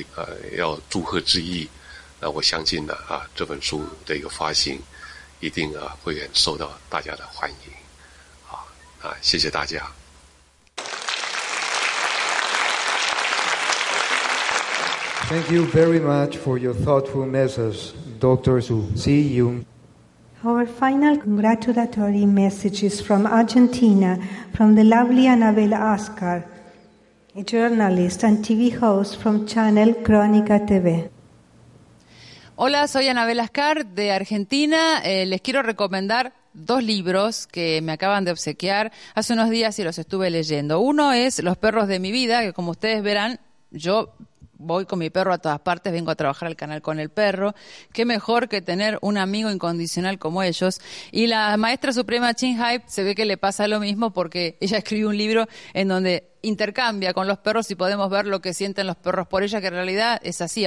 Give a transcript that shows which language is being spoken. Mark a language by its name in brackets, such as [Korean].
[Chinese] 我看了这样的这个青海无上师对这个狗的一个关爱，让我非常的一个感动，因为我自己本身也是一个很爱狗的一个人，所以我这本书我觉得是非常的好，我更高兴的得知那这本书呢西班牙文版即将在秘鲁当地来发行，那我要郑重的为各位来推荐，那为要祝贺之意。那我相信这本书的一个发行一定会很受到大家的欢迎。谢谢大家。 [English] Thank you very much for your thoughtful message, Dr. Xu. See you. Our final congratulatory message is from Argentina, from the lovely Anabel Oscar, a journalist and TV host from Channel Crónica TV. [Spanish] Hola, soy Anabel Ascar de Argentina. Les quiero recomendar dos libros que me acaban de obsequiar hace unos días y los estuve leyendo. Uno es Los perros de mi vida, que como ustedes verán, yo voy con mi perro a todas partes, vengo a trabajar al canal con el perro. Qué mejor que tener un amigo incondicional como ellos. Y la maestra suprema Ching Hai se ve que le pasa lo mismo porque ella escribió un libro en donde intercambia con los perros y podemos ver lo que sienten los perros por ella, que en realidad es así.